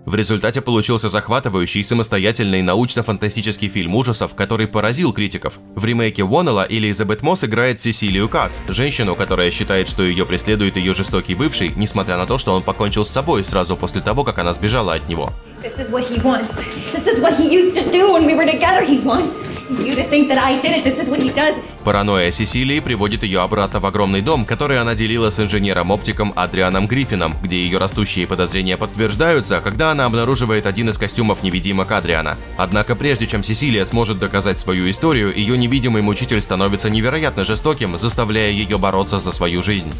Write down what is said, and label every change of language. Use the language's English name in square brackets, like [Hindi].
[Russian] В результате получился захватывающий самостоятельный научно-фантастический фильм ужасов, который поразил критиков. В ремейке Уоннелла Элизабет Мосс играет Сесилию Касс, женщину, которая считает, что ее преследует ее жестокий бывший, несмотря на то, что он покончил с собой сразу после того, как она сбежала от него. [English] This is what he wants. This is what he used to do when we were together. He wants you to think that I did it. This is what he does. [Russian] Паранойя Сесилии приводит ее обратно в огромный дом, который она делила с инженером-оптиком Адрианом Гриффином, где ее растущие подозрения подтверждаются, когда она обнаруживает один из костюмов невидимок Адриана. Однако прежде чем Сесилия сможет доказать свою историю, ее невидимый мучитель становится невероятно жестоким, заставляя ее бороться за свою жизнь.